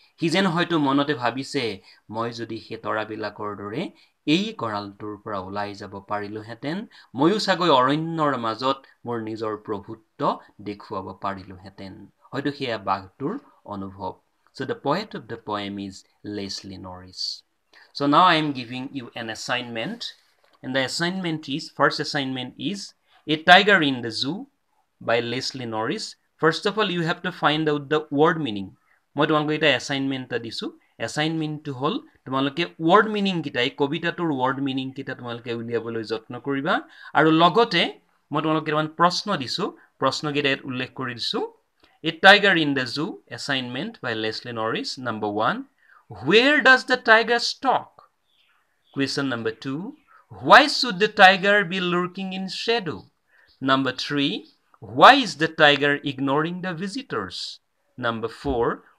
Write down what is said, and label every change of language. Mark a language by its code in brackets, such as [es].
[as] সি যেন হয়তো মনতে ভাবিছে, মই যদি সেই তৰাবিলাকৰ দৰে এই গঁৰালটোৰ পৰা ওলাই যাব পাৰিলোহেঁতেন, ময়ো চাগৈ অৰণ্যৰ মাজত মোৰ নিজৰ প্ৰভুত্ব দেখুৱাব পাৰিলোহেঁতেন, হয়তো সেয়া বাঘটোৰ অনুভৱ। [en] So' the poet of the poem is Leslie Norris. So now I am giving you an assignment, and the assignment is, first assignment is A Tiger in the Zoo by Leslie Norris. First of all, you have to find out the word meaning. [as] মই তোমালোকক এটা assignment এটা দিছোঁ। এছাইনমেণ্টটো হ'ল তোমালোকে word মিনিংকেইটা, এই কবিতাটোৰ word মিনিংকেইটা তোমালোকে উলিয়াবলৈ যত্ন কৰিবা, আৰু লগতে মই তোমালোকক কেইটামান প্ৰশ্ন দিছোঁ, প্ৰশ্নকেইটা ইয়াত উল্লেখ কৰি দিছোঁ। [en] A Tiger in the Zoo assignment by Leslie Norris, number 1. Where does the tiger stalk? Question number 2. Why should the tiger be lurking in shadow? Number 3. Why is the tiger ignoring the visitors? Number 4.